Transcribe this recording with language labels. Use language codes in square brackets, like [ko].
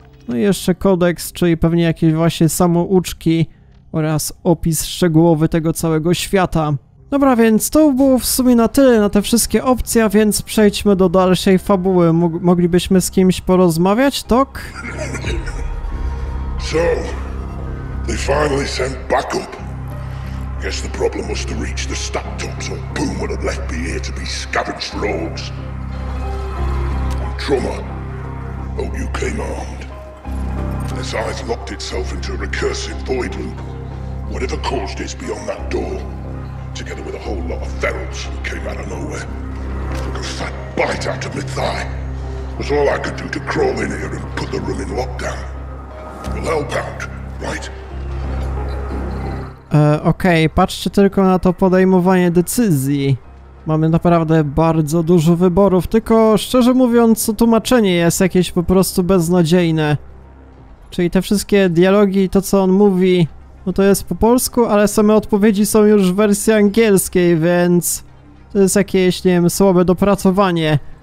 [pl] No i jeszcze kodeks, czyli pewnie jakieś właśnie samouczki oraz opis szczegółowy tego całego świata. Dobra, więc to było w sumie na tyle, na te wszystkie opcje, więc przejdźmy do dalszej fabuły. Moglibyśmy z kimś porozmawiać, Tok? [en] So, they finally sent backup. Guess the problem was to reach the Stacktops or Boom would have left me here to be scavenged for orcs. Trauma, hope you came armed. This eye's locked itself into a recursive void loop. Whatever caused it's beyond that door. Together with a whole lot of ferals who came out of nowhere. Took a fat bite out of my thigh. Was all I could do to crawl in here and put the room in lockdown. We'll help out, right? [pl] Okej, patrzcie tylko na to podejmowanie decyzji. Mamy naprawdę bardzo dużo wyborów, tylko szczerze mówiąc, tłumaczenie jest jakieś po prostu beznadziejne. Czyli te wszystkie dialogi, to co on mówi, no to jest po polsku, ale same odpowiedzi są już w wersji angielskiej, więc to jest jakieś, nie wiem, słabe dopracowanie.